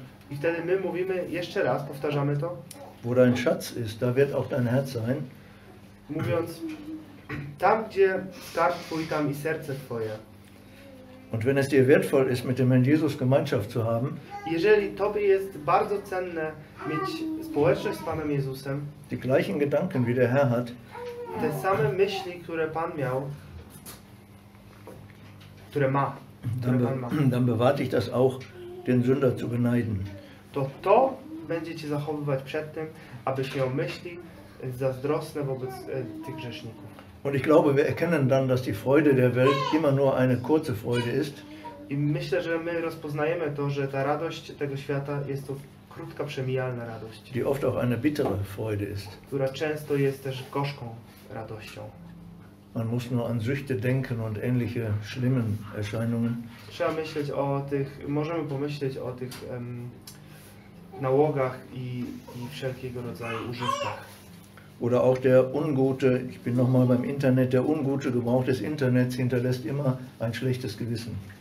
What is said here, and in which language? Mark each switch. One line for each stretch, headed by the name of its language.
Polish: I wtedy my mówimy jeszcze raz, powtarzamy to.
German: Wo dein Schatz ist, da wird auch dein Herz sein.
Polish: Mówiąc, tam gdzie skarb twój, tam i serce twoje.
German: Und wenn es dir wertvoll ist, mit dem Herrn Jesus Gemeinschaft zu haben,
Polish: jeżeli tobie jest bardzo cenne mieć społeczność z Panem Jezusem,
German: die gleichen Gedanken, wie der Herr hat,
Polish: te same myśli, które Pan miał, które ma,
German: dann,
Polish: które Pan ma,
German: dann bewahrt dich das auch, den Sünder zu beneiden.
Polish: To będzie cię zachowywać przed tym, abyś miał myśli zazdrosne wobec tych grzeszników.
German: Und ich glaube, wir erkennen dann, dass die Freude der Welt immer nur eine kurze Freude ist.
Polish: I myślę, że my rozpoznajemy to, że ta radość tego świata jest to krótka, przemijalna radość.
German: Die oft auch eine bittere Freude ist.
Polish: Która często jest też gorzką radością.
German: Man muss nur an Süchte denken und ähnliche schlimmen Erscheinungen.
Polish: Trzeba myśleć o tych, możemy pomyśleć o tych nałogach i wszelkiego rodzaju używkach.
German: Oder auch der ungute, ich bin nochmal beim Internet, der ungute Gebrauch des Internets hinterlässt immer ein schlechtes Gewissen.